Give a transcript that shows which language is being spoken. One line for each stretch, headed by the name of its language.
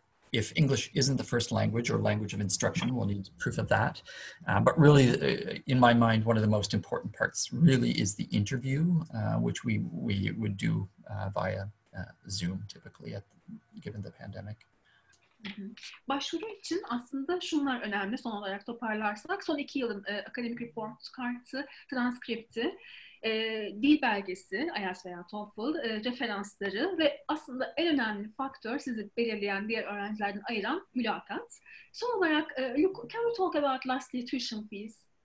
English: If English isn't the first language or language of instruction, we'll need proof of that. But really, in my mind, one of the most important parts really is the interview, which we would do via Zoom, typically, given the pandemic.
Turkish: Başvuru için aslında şunlar önemli, son olarak toparlarsak. Son iki yılın akademik report kartı, transkripti, dil belgesi, IELTS veya TOEFL, referansları ve aslında en önemli faktör sizi belirleyen, diğer öğrencilerden ayıran mülakat. Son olarak,
English: can we talk about lastly tuition fees?